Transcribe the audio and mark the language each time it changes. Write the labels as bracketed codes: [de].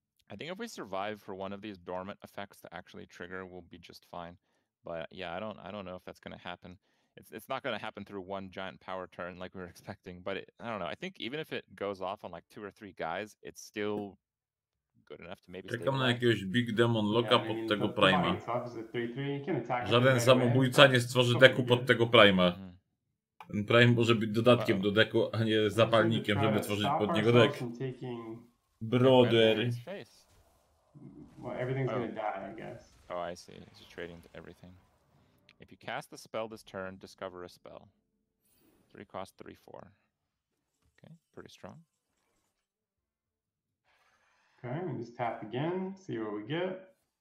[en] I think if we survive for one of these dormant effects to actually trigger, we'll be just fine. But yeah, I don't know if that's going to happen. It's not going to happen through one giant power turn like we were expecting, but I don't know. I think even if it goes off on like two or three guys, it's still good enough to maybe stay. [pl] Czekam na jakiegoś big demon locka pod tego prima. Żaden samobójca nie stworzy deku pod tego prima. Ten prime może być dodatkiem do deku, a nie zapalnikiem, żeby tworzyć pod niego dek. [en] Brother. Well, everything's gonna die, I guess. Oh, I see. It's just trading to everything. If you cast the spell this turn, discover a spell. 3 cost, 3/4. Okay, pretty strong. Okay, we just tap again, see what we get.